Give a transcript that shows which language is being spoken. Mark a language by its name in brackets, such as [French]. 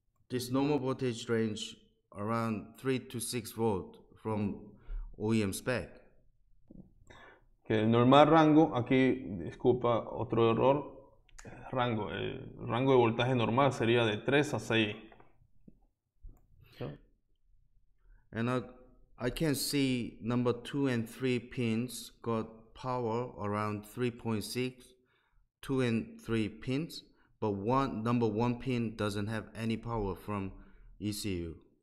[English] This normal voltage range around 3 to 6 volt from OEM spec. [Spanish] Que el normal rango, aquí disculpa otro error, el rango de voltaje normal sería de 3 a 6. [English] And I can see number 2 and 3 pins got power around 3.6, 2 and 3 pins, but number one pin doesn't have any power from ECU.